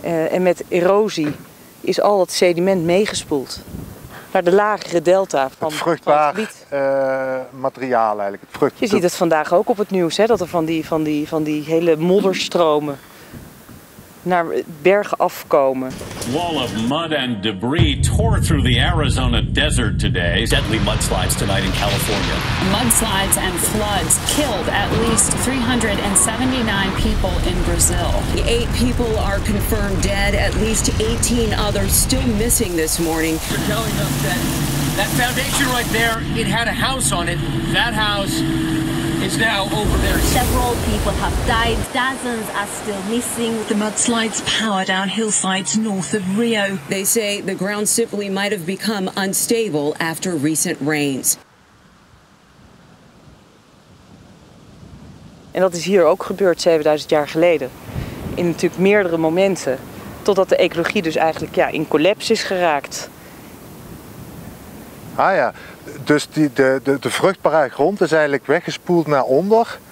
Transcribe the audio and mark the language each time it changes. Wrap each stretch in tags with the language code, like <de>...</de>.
<nl>En met erosie is al dat sediment meegespoeld naar de lagere delta van het vruchtbaar materiaal eigenlijk. Je ziet het vandaag ook op het nieuws, hè, dat er van die hele modderstromen naar bergen afkomen.</nl> <en>Wall of mud and debris tore through the Arizona desert today. Deadly mudslides tonight in California. Mudslides and floods killed at least 379 people in Brazil. 8 people are confirmed dead, at least 18 others still missing this morning. They're telling us that foundation right there, it had a house on it. That house is now over there. Several people have died. Dozens are still missing. The mudslides power down hillsides north of Rio. They say the ground simply might have become unstable after recent rains.</en> <nl>En dat is hier ook gebeurd 7000 jaar geleden. In natuurlijk meerdere momenten. Totdat de ecologie dus eigenlijk in collapse is geraakt. Ah ja. Dus de vruchtbare grond is eigenlijk weggespoeld naar onder.</nl>